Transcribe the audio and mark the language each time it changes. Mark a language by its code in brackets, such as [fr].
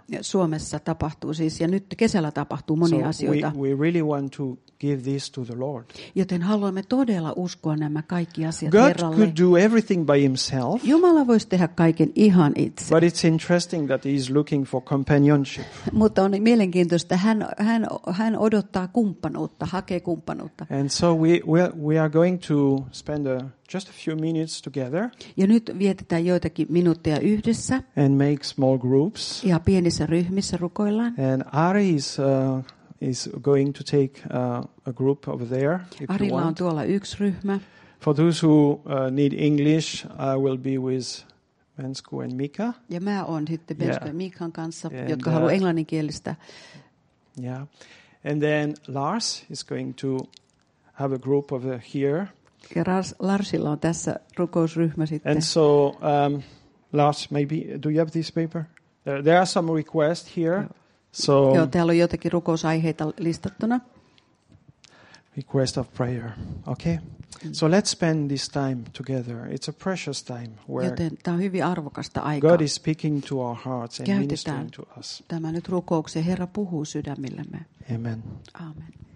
[fi] Suomessa tapahtuu siis, ja nyt kesällä tapahtuu monia asioita. [en] We really want to give this to the Lord. [fi] Joten haluamme todella uskoa nämä kaikki asiat [en] God [fi] Herralle. [en] Could do everything by himself. [fi] Jumala voisi tehdä kaiken ihan itse. [en] But it's interesting that he is looking for companionship. [fi] Mutta on mielenkiintoista, hän odottaa kumppanuutta, hakee kumppanuutta. [en] And so we are going to spend just a few minutes together. [fi] Ja nyt vietetään joitakin minuutteja yhdessä. [en] And make small groups. [fi] Ja pienissä ryhmissä rukoillaan. [en] And Ari is going to take a group over there. [fi] Arilla on tuolla yksi ryhmä. [en] For those who need English, I will be with Bensku and Mika. [fi] Ja mä oon sitten Bensku ja Mikan kanssa, jotka haluaa englanninkielistä. [en] Yeah. And then Lars is going to have a group over here. [fi] Ja Larsilla on tässä rukousryhmä sitten. [en] And so Lars, maybe do you have this paper? There are some requests here. So, [fi] joo, täällä on jotakin rukousaiheita listattuna. [en] Request of prayer. Okay. So let's spend this time together. It's a precious time where [fi] joten tämä on hyvin arvokasta aikaa. [en] God is speaking to our hearts and ministering to us. [fi] Tämä nyt rukoukseen. Herra puhuu sydämillemme. Amen. Amen.